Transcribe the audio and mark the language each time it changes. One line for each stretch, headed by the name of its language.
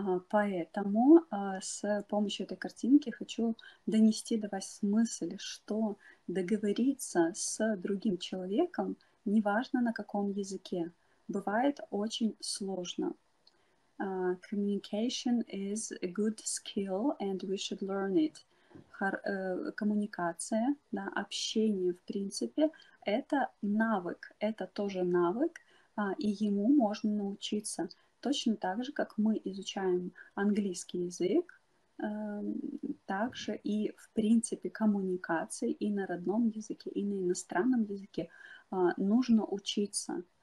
Russian: Поэтому с помощью этой картинки хочу донести до вас мысль, что договориться с другим человеком, неважно на каком языке, бывает очень сложно.
English: Communication is a good skill, and we should learn it.
Russian: Коммуникация, да, общение, в принципе, это навык, это тоже навык, и ему можно научиться. Точно так же, как мы изучаем английский язык, также и, в принципе, коммуникации и на родном языке, и на иностранном языке нужно учиться.